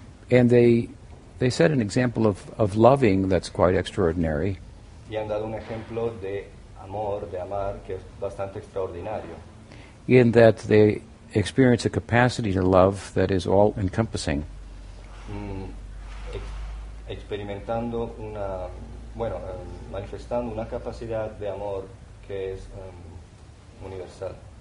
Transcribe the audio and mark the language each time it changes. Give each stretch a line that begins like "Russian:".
English: They set an example of loving that's quite extraordinary.
Spanish: Y han dado un ejemplo de amor, de amar, que es bastante extraordinario.
English: In that they experience a capacity to love that is all-encompassing.
Spanish: Experimentando una, bueno, manifestando una capacidad de amor que es universal.